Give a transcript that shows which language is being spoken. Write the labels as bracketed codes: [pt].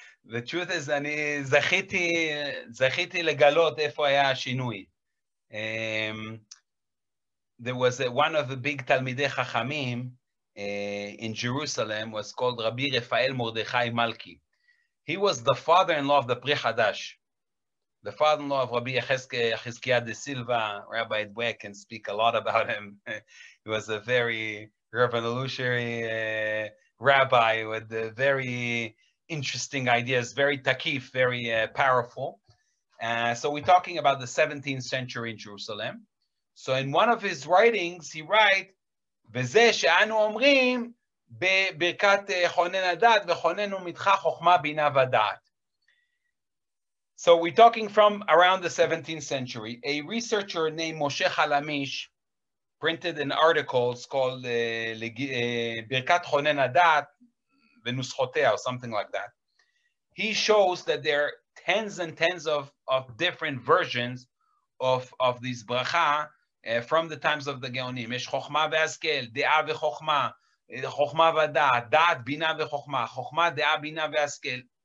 [en] The truth is, [he] אני זכיתי לגלות איפה היה השינוי. [en] There was one of the big תלמידי חכמים in Jerusalem was called Rabbi Rafael Mordechai Malki. He was the father-in-law of the Pri Chadash. The father-in-law of Rabbi Yechezkiah de Silva, Rabbi Edwe can speak a lot about him. He was a very revolutionary rabbi with a very interesting ideas, very takif, very powerful. So we're talking about the 17th century in Jerusalem. So in one of his writings, he writes, [he] וזה שאנו אומרים בברכת חונן הדעת וחוננו מתך חוכמה בינה ודעת. [en] So we're talking from around the 17th century. A researcher named Moshe Chalamish printed an article called ברכת חונן הדעת ונוסחותיה, or something like that. He shows that there are tens and tens of different versions of these bracha from the times of the Geonim. [he] יש חוכמה והשכל, דעה וחוכמה, חוכמה ודעת, דעת בינה וחוכמה, חוכמה דעה בינה והשכל.